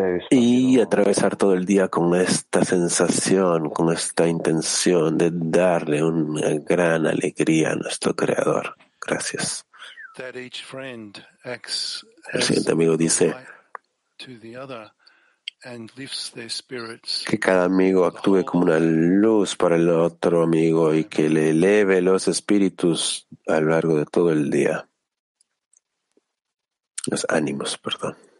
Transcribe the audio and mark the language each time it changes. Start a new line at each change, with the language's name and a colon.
Spanish: Y atravesar todo el día con esta sensación, con esta intención de darle una gran alegría a nuestro Creador. Gracias.
English: That each friend acts as a light to the other and lifts their spirits.
Spanish: Que cada amigo actúe como una luz para el otro amigo y que le eleve los espíritus a lo largo de todo el día. Los ánimos, perdón.